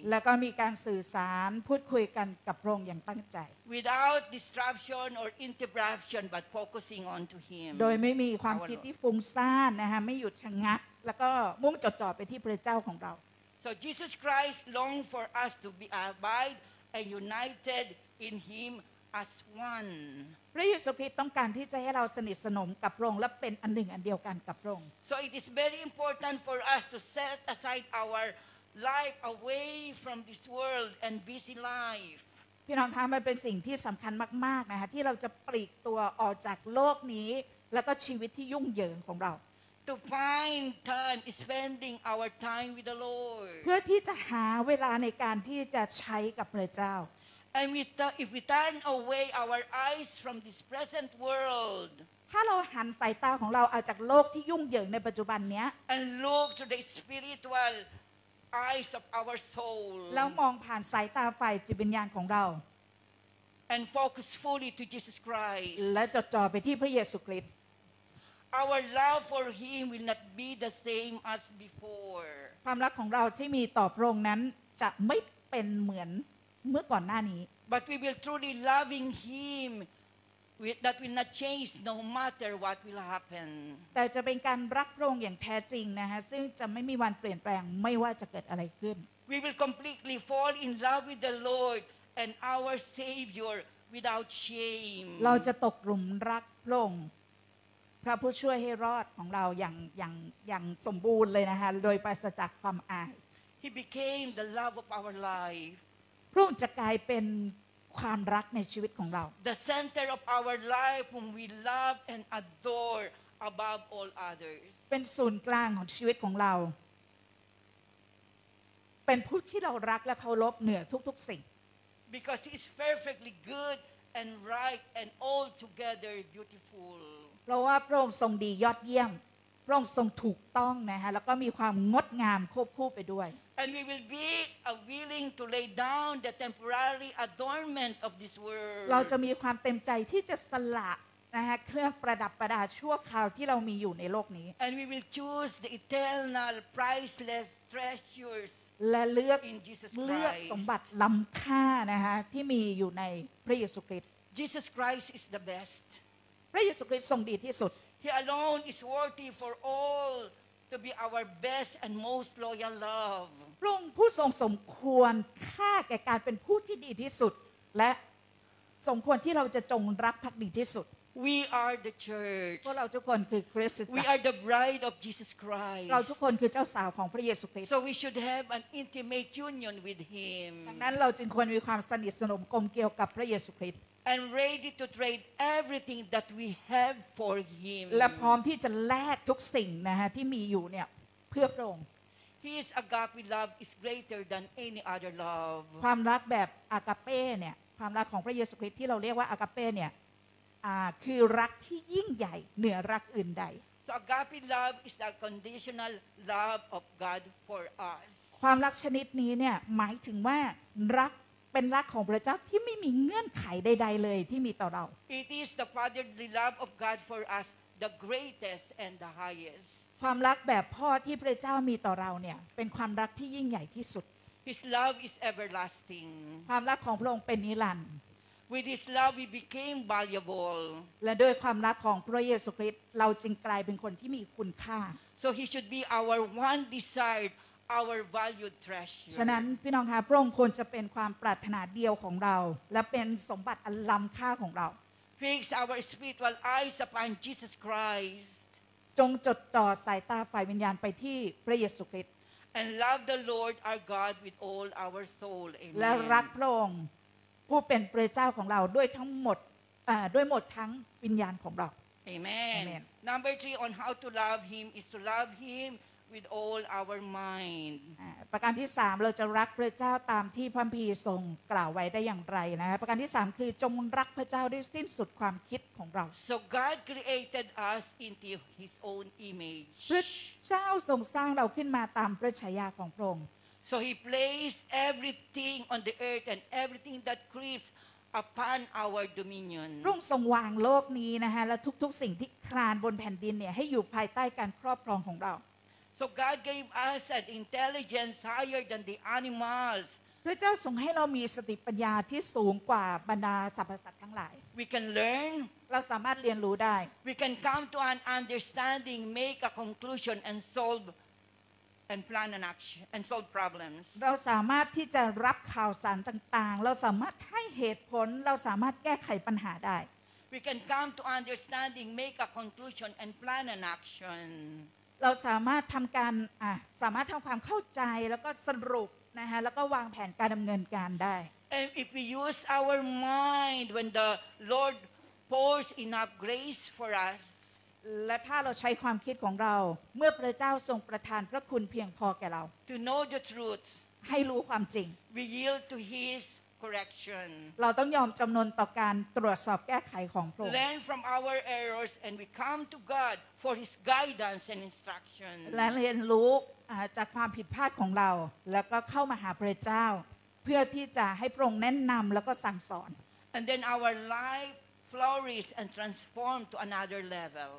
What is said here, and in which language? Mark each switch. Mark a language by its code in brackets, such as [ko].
[th] แล้วก็มีการสื่อสารพูดคุยกันกับพระองค์อย่างตั้งใจ [en] without disruption or interruption but focusing on to him [th] โดยไม่มีความคิดที่ฟุ้งซ่านนะคะไม่หยุดชะงักแล้วก็มุ่งจดจ่อไปที่พระเจ้าของเรา [en] so Jesus Christ longed for us to be abide and united in himas one [th] พระเยซูคริสต์ต้องการที่จะให้เราสนิทสนมกับพระองค์และเป็นอันหนึ่งอันเดียวกันกับพระองค์ [en] So it is very important for us to set aside our life away from this world and busy life [th] พี่น้องคะมันเป็นสิ่งที่สำคัญมากๆนะคะที่เราจะปลีกตัวออกจากโลกนี้แล้วก็ชีวิตที่ยุ่งเหยิงของเรา [en] To find time is spending our time with the Lord [th] เพื่อที่จะหาเวลาในการที่จะใช้กับพระเจ้า [en] And if we turn away our eyes from this present world, [th] ถ้าเราหันสายตาของเราเอาจากโลกที่ยุ่งเหยิงในปัจจุบันเนี้ย [en] and look to the spiritual eyes of our soul, [th] แล้วมองผ่านสายตาฝ่ายจิตวิญญาณของเรา [en] and focus fully to Jesus Christ, [th] และจดจ่อไปที่พระเยซูคริสต์ [en] our love for Him will not be the same as before. [th] ความรักของเราที่มีต่อพระองค์นั้นจะไม่เป็นเหมือนเมื่อก่อนหน้านี้ [en] but we will truly loving him that will not change no matter what will happen [th] แต่จะเป็นการรักพระองค์อย่างแท้จริงนะฮะซึ่งจะไม่มีวันเปลี่ยนแปลงไม่ว่าจะเกิดอะไรขึ้น [en] we will completely fall in love with the lord and our savior without shame [th] เราจะตกหลุมรักพระองค์พระผู้ช่วยให้รอดของเราอย่างสมบูรณ์เลยนะฮะโดยปราศจากความอาย [en] he became the love of our life [th] พระองค์จะกลายเป็นความรักในชีวิตของเรา [en] The center of our life whom we love and adore above all others [th] เป็นศูนย์กลางของชีวิตของเราเป็นผู้ที่เรารักและเคารพเหนือทุกๆสิ่ง [en] Because he is perfectly good and right and altogether beautiful [th] เพราะว่าพระองค์ทรงดียอดเยี่ยมพระองค์ทรงถูกต้องนะฮะแล้วก็มีความงดงามควบคู่ไปด้วย [en] And we will be willing to lay down the temporary adornment of this world [th] เราจะมีความเต็มใจที่จะสละนะฮะเครื่องประดับประดาชั่วคราวที่เรามีอยู่ในโลกนี้ [en] And we will choose the eternal priceless treasures [th] และเลือกสมบัติล้ำค่านะคะที่มีอยู่ในพระเยซูคริสต์ [en] Jesus Christ is the best [th] พระเยซูคริสต์ทรงดีที่สุด [en] He alone is worthy for all to be our best and most loyal love [th] พระองค์ผู้ทรงสมควรค่าแก่การเป็นผู้ที่ดีที่สุดและสมควรที่เราจะจงรักภักดีที่สุด [en] We are the church [th] พวกเราทุกคนคือคริสตจักร [en] We are the bride of Jesus Christ [th] เราทุกคนคือเจ้าสาวของพระเยซูคริสต์ [en] So we should have an intimate union with him [th] ดังนั้นเราจึงควรมีความสนิทสนมกลมเกี่ยวกับพระเยซูคริสต์ [en] And ready to trade everything that we have for him [th] และพร้อมที่จะแลกทุกสิ่งนะฮะที่มีอยู่เนี่ยเพื่อพระองค์ [en] His agape love is greater than any other love. [th] ความรักแบบอากาเป้เนี่ยความรักของพระเยซูคริสต์ที่เราเรียกว่าอากาเป้เนี่ยคือรักที่ยิ่งใหญ่เหนือรักอื่นใด [en] So agape love is the conditional love of God for us. [th] ความรักชนิดนี้เนี่ยหมายถึงว่ารักเป็นรักของพระเจ้าที่ไม่มีเงื่อนไขใดๆเลยที่มีต่อเรา [en] It is the fatherly love of God for us, the greatest and the highest. [th] ความรักแบบพ่อที่พระเจ้ามีต่อเราเนี่ยเป็นความรักที่ยิ่งใหญ่ที่สุด [en] His love is everlasting [th] ความรักของพระองค์เป็นนิรันดร์ [en] With his love we became valuable [th] และด้วยความรักของพระเยซูคริสต์เราจึงกลายเป็นคนที่มีคุณค่า [en] So he should be our one desire our valued treasure [th] ฉะนั้นพี่น้องคะพระองค์ควรจะเป็นความปรารถนาเดียวของเราและเป็นสมบัติอันล้ำค่าของเรา [en] Fix our spiritual eyes upon Jesus Christ [th] จงจดจ่อสายตาฝ่ายวิญญาณไปที่พระเยซูคริสต์ [en] And love the Lord our God with all our soul Amen [th] และรักพระองค์ผู้เป็นพระเจ้าของเราด้วยทั้งหมดด้วยหมดทั้งวิญญาณของเรา [en] Amen. Amen Number 3 on how to love him is to love him with all our mind [th] ประการที่3เราจะรักพระเจ้าตามที่พระคัมภีร์ทรงกล่าวไว้ได้อย่างไรนะประการที่3คือจงรักพระเจ้าด้วยสิ้นสุดความคิดของเรา [en] So God created us into his own image [th] พระเจ้าทรงสร้างเราขึ้นมาตามพระฉายาของพระองค์ [en] So he placed everything on the earth and everything that creepsUpon our dominion [th] พระองค์ทรงวางโลกนี้นะฮะและทุกๆสิ่งที่คลานบนแผ่นดินเนี่ยให้อยู่ภายใต้การครอบครองของเรา [en] So God gave us an intelligence higher than the animals. [th] พระเจ้าทรงให้เรามีสติปัญญาที่สูงกว่าบรรดาสรรพสัตว์ทั้งหลาย [en] We can learn. [th] เราสามารถเรียนรู้ได้ [en] We can come to an understanding, make a conclusion, and solve and plan an action and solve problems. [th] เราสามารถที่จะรับข่าวสารต่างๆเราสามารถให้เหตุผลเราสามารถแก้ไขปัญหาได้ [en] We can come to understanding, make a conclusion, and plan an action. [th] เราสามารถทำการสามารถทำความเข้าใจแล้วก็สรุปนะฮะแล้วก็วางแผนการดำเนินการได้ [en] And if we use our mind when the Lord pours enough grace for us [th] และถ้าเราใช้ความคิดของเราเมื่อพระเจ้าทรงประทานพระคุณเพียงพอแก่เรา [en] To know the truth [th] ให้รู้ความจริง [en] We yield to His correction [th] เราต้องยอมจำนนต่อการตรวจสอบแก้ไขของพระองค์ [en] Learn from our errors and we come to GodFor His guidance and instruction. [th] และเรียนรู้จากความผิดพลาดของเราแล้วก็เข้ามาหาพระเจ้าเพื่อที่จะให้พระองค์แนะนำแล้วก็สั่งสอน [en] And then our life flourishes and transforms to another level.